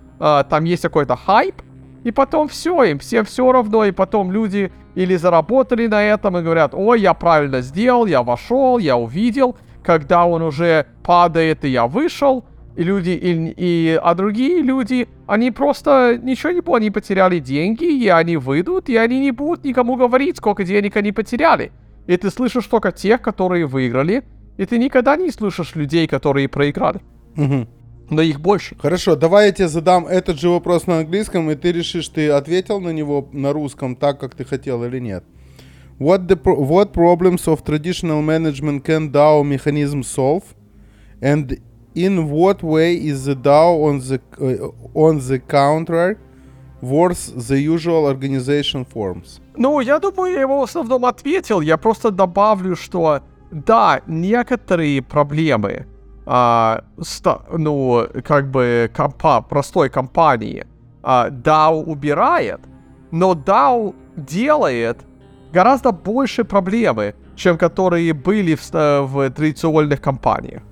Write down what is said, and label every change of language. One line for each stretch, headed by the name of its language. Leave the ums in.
Russian: Э, там есть какой-то хайп, и потом все, им всем все равно, и потом люди или заработали на этом и говорят, ой, я правильно сделал, я вошел, я увидел, когда он уже падает, и я вышел, и люди, и, и, а другие люди, они просто ничего не поняли, они потеряли деньги, и они выйдут, и они не будут никому говорить, сколько денег они потеряли. И ты слышишь только тех, которые выиграли, и ты никогда не слушаешь людей, которые проиграли. Угу. Uh-huh. Но их больше. Хорошо, давай я тебе задам этот же вопрос на английском, и ты решишь, ты ответил на него на русском так, как ты хотел или нет.
English: What, the pro what problems of traditional management can DAO mechanism solve? And in what way is the DAO on the, uh, on the counter worse the usual organization forms?
Russian: Ну, я думаю, я его в основном ответил. Я просто добавлю, что да, некоторые проблемы, а, э, ста, ну, как бы компа, простой компании, а, э, DAO убирает, но DAO делает гораздо больше проблемы, чем которые были в, в традиционных компаниях.